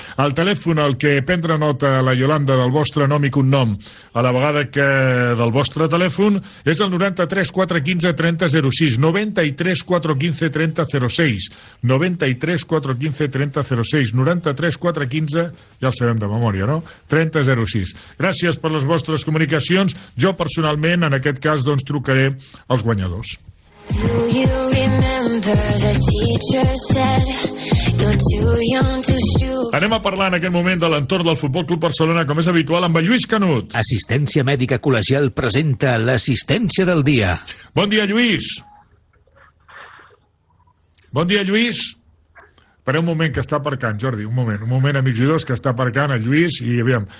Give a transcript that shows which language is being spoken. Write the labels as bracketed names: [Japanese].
[Catalan] El telèfon, el que prendre nota la Yolanda del vostre nom i cognom, a la vegada que del vostre telèfon, és el 93 415 3006, 93 415 3006, 93 415 3006, 93 415, ja el sabem de memòria, no? 3006. Gràcies per les vostres comunicacions. Jo, personalment, en aquest cas, doncs, trucaré als guanyadors. [English] Do you remember the teacher said you're too young to shoot? [Catalan] Anem a parlar en aquest moment de l'entorn del Futbol Club Barcelona, com és habitual, amb el Lluís Canut. Assistència Mèdica Col·legial presenta l'assistència del dia. Bon dia, Lluís. Bon dia, Lluís. Espera un moment, que està aparcant, Jordi. Un moment, amics jugadors, que està aparcant el Lluís. I aviam.